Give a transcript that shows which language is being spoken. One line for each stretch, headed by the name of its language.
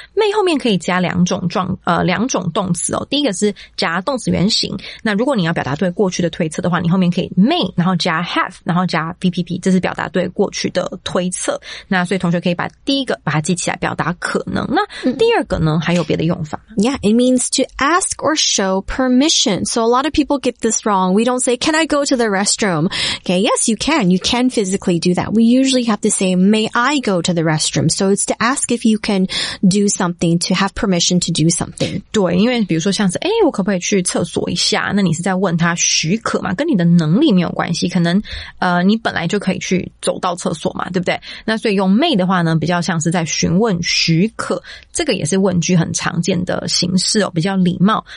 Chinese: May 后面可以加两种动词哦。第一个是加动词原形。那如果你要表达对过去的推测的话，你后面可以 may， 然后加 have， 然后加 VPP， 这是表达对过去的推测。那所以同学可以把第一个把它记起来，表达可。那第二个呢、还有别的用法
English: Yeah, it means to ask or show permission. So a lot of people get this wrong. We don't say, can I go to the restroom? Okay, yes, you can. You can physically do that. We usually have to say, may I go to the restroom? So it's to ask if you can do something, to have permission to do something.
Chinese: 对，因为比如说像是，诶，我可不可以去厕所一下？那你是在问他许可嘛？跟你的能力没有关系。可能你本来就可以去走到厕所嘛，对不对？那所以用 may 的话呢，比较像是在询问许可。这个也是问句很常见的形式哦，比较礼貌。